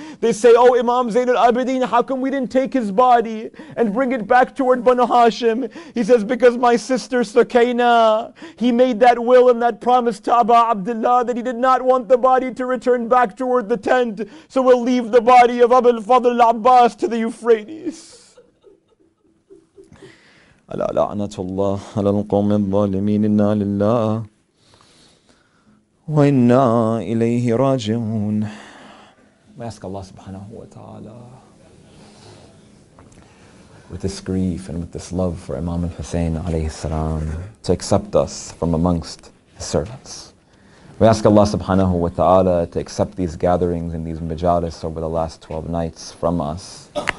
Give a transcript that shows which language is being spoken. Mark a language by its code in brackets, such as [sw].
[en] They say, "Oh Imam Zainul Abidin, how come we didn't take his body and bring it back toward Banu Hashim?" He says, "Because my sister Sukaina, he made that will and that promise to Aba Abdullah that he did not want the body to return back toward the tent. So we'll leave the body of Abu al-Fadl al-Abbas to the Euphrates." [ar] ألا لعنة الله على القوم الظالمين إنا لله وإنا إليه راجعون. [en] We ask Allah subhanahu wa ta'ala with this grief and with this love for Imam al-Hussein alayhi salam to accept us from amongst his servants. We ask Allah subhanahu wa ta'ala to accept these gatherings and these majalis over the last 12 nights from us.